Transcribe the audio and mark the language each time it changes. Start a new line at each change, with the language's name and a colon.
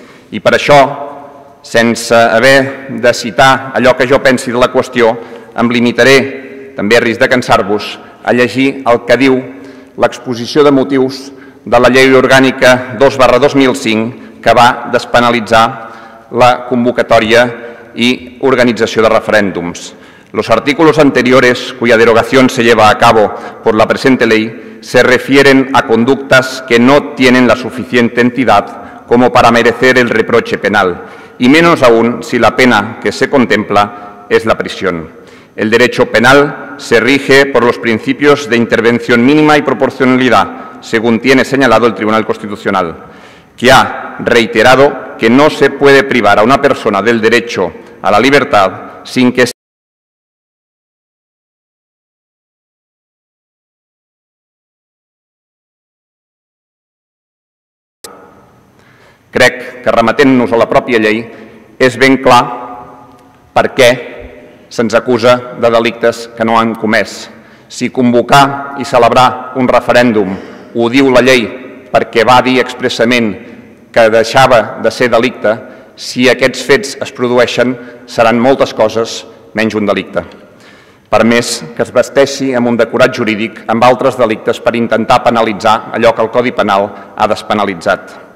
Catalan: I per això, sense haver de citar allò que jo pensi de la qüestió, em limitaré, també a risc de cansar-vos, a llegir el que diu l'exposició de motius de la Llei Orgànica 2/2005, que va despenalitzar la convocatòria i organització de referèndums.
Spanish: Los artículos anteriores, cuya derogación se lleva a cabo por la presente ley, se refieren a conductas que no tienen la suficiente entidad como para merecer el reproche penal, y menos aún si la pena que se contempla es la prisión. El derecho penal se rige por los principios de intervención mínima y proporcionalidad, según tiene señalado el Tribunal Constitucional, que ha reiterado que no se puede privar a una persona del derecho a la libertad sin que
Catalan: crec que, remetent-nos a la pròpia llei, és ben clar per què se'ns acusa de delictes que no han comès. Si convocar i celebrar un referèndum ho diu la llei perquè va dir expressament que deixava de ser delicte, si aquests fets es produeixen, seran moltes coses menys un delicte. Per més que es vesteixi amb un decorat jurídic amb altres delictes per intentar penalitzar allò que el Codi Penal ha despenalitzat.